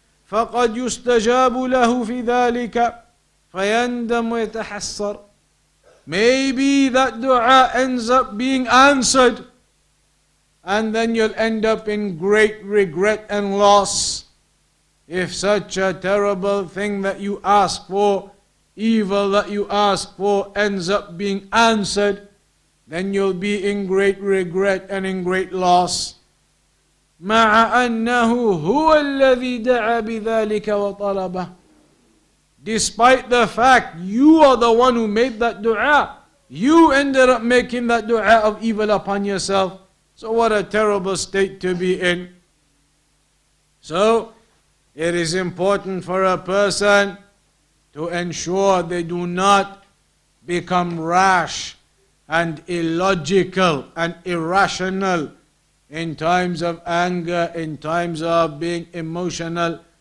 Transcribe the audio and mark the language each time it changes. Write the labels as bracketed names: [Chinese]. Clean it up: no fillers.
[Arabic] فَقَدْ يُسْتَجَابُ لَهُ فِي ذَٰلِكَ فَيَنْدَمُ وَيَتَحَسَّرُ [English] Maybe that dua ends up being answered and then you'll end up in great regret and loss if such a terrible thing that you ask for, evil that you ask for, ends up being answered, then you'll be in great regret and in great loss. [Arabic] مع أنه هو الذي دعا بذلك وطلبه. [English] Despite the fact you are the one who made that dua, you ended up making that dua of evil upon yourself. So what a terrible state to be in. So it is important for a person to ensure they do not become rash and illogical and irrational in times of anger, in times of being emotional,